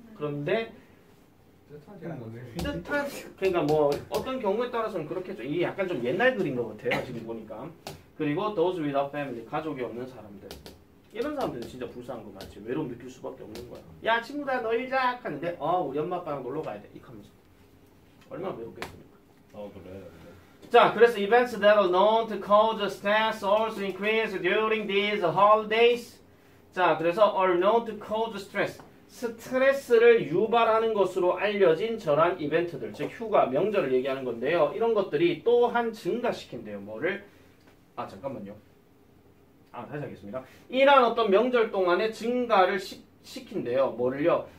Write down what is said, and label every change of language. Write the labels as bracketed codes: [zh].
[ko] 그런데 뜻한 그러니까 뭐 어떤 경우에 따라서는 그렇겠죠. 이게 약간 좀 옛날 그림 것 같아요 지금 보니까. 그리고 [en] those without family [ko] 가족이 없는 사람들 이런 사람들은 진짜 불쌍한 것 같지. 외로움 느낄 수밖에 없는 거야. 야 친구들아 놀자 하는데 우리 엄마 아빠랑 놀러 가야 돼 이렇게 하면서 얼마나 외롭겠습니까. 그래. 자, 그래서 [en] events that are known to cause stress also increase during these holidays. [ko] 자, 그래서 [en] are known to cause stress. [ko] 스트레스를 유발하는 것으로 알려진 저런 이벤트들, 즉 휴가, 명절을 얘기하는 건데요. 이런 것들이 또한 증가시킨대요. 뭐를? 아, 잠깐만요. 아, 다시 하겠습니다. 이러한 어떤 명절 동안에 증가를 시킨대요. 뭐를요?